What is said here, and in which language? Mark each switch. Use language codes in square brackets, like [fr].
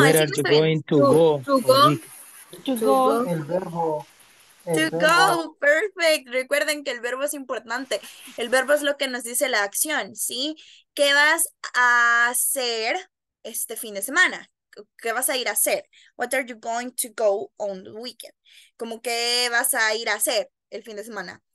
[en] where are you going to go? To go. Perfect. [es] Recuerden que el verbo es importante. El verbo es lo que nos dice la acción, ¿sí? ¿Qué vas a hacer este fin de semana? ¿Qué vas a ir a hacer? [en] What are you going to go on the weekend? [es] ¿Cómo qué vas a ir a hacer el fin de semana?